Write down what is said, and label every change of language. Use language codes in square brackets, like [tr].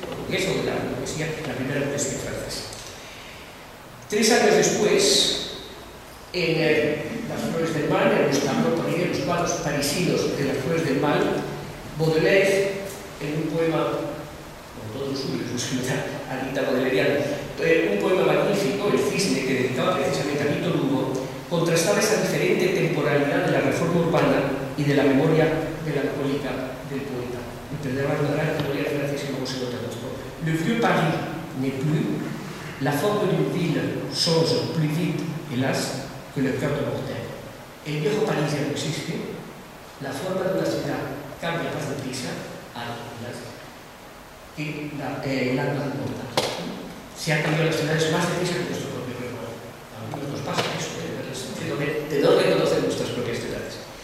[es] Eso de la burguesía, la primera burguesía francesa. Tres años después, en Las Flores del Mal, en Estambul, por ahí en los cuadros parisinos de Las Flores del Mal, Baudelaire, en un poema, con todos los suyos, pues quizá Anita Baudelaireana, un poema magnífico, El Cisne, que dedicaba precisamente a Víctor Hugo, contrastaba esa diferente temporalidad de la reforma urbana y de la memoria melancólica del poeta. Entenderá la gran memoria francesa y luego se nota mucho. [fr] Le vieux Paris n'est plus la forme d'une ville change plus vite, hélas, que le cœur de mortel. [es] El viejo París ya no existe, la forma de una ciudad cambia más deprisa, hélas, que el alma de mortal. Se han cambiado las ciudades más deprisa que nuestro propio recuerdo. A algunos nos pasa eso, de dónde conocen nuestras propias ciudades.